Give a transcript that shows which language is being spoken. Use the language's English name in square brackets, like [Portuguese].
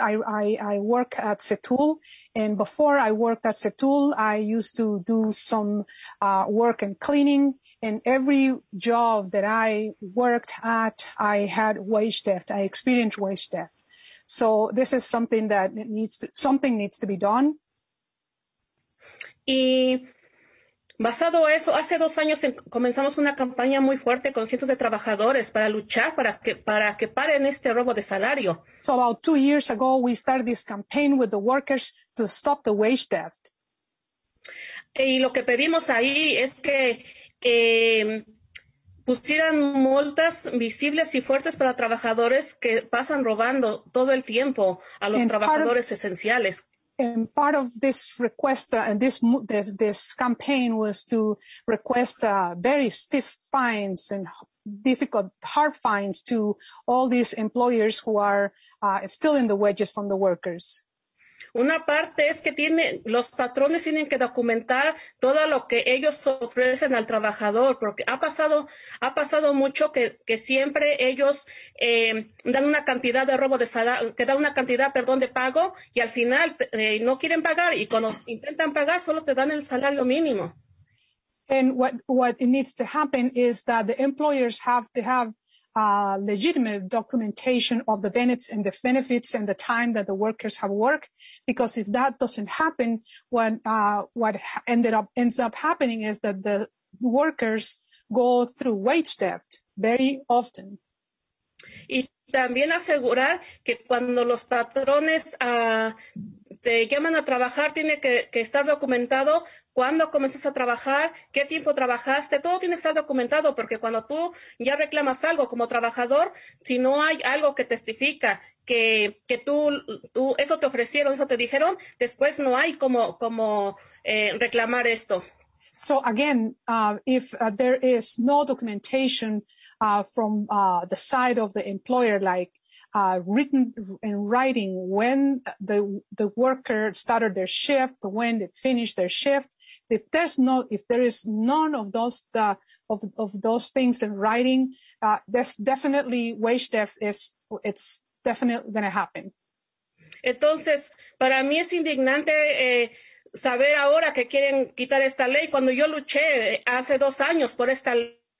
[English] I work at CETUL, and before I worked at CETUL, I used to do some work and cleaning, and every job that I worked at, I had wage theft. I experienced wage theft. So this is something that needs to be done. [Spanish] Basado a eso, hace dos años comenzamos una campaña muy fuerte con cientos de trabajadores para luchar para que paren este robo de salario. [English] So about 2 years ago, we started this campaign with the workers to stop the wage theft. [Spanish] Y lo que pedimos ahí es que pusieran multas visibles y fuertes para trabajadores que pasan robando todo el tiempo a los trabajadores esenciales. [English] And part of this request and this campaign was to request very stiff fines and difficult, hard fines to all these employers who are still in the wages from the workers. [Spanish] Una parte es que los patrones tienen que documentar todo lo que ellos ofrecen al trabajador, porque ha pasado mucho que siempre ellos dan una cantidad de robo de salario, que dan una cantidad, perdón, de pago, y al final no quieren pagar, y cuando intentan pagar solo te dan el salario mínimo. [English] And what needs to happen is that the employers have to have legitimate documentation of the benefits and the benefits and the time that the workers have worked, because if that doesn't happen, what ends up happening is that the workers go through wage theft very often. [Spanish] Y también asegurar que cuando los patrones te llaman a trabajar, tiene que estar documentado cuándo comenzaste a trabajar, qué tiempo trabajaste, todo tiene que estar documentado, porque cuando tú ya reclamas algo como trabajador, si no hay algo que testifica que tú eso te ofrecieron, eso te dijeron, después no hay como reclamar esto. [English] So again, if there is no documentation from the side of the employer, like written in writing when the worker started their shift, when they finished their shift, if there is none of those things in writing, that's definitely wage theft. It's definitely going to happen. [Spanish] Entonces, para mí es indignante saber ahora que quieren quitar esta ley cuando yo luché hace dos años por esta ley.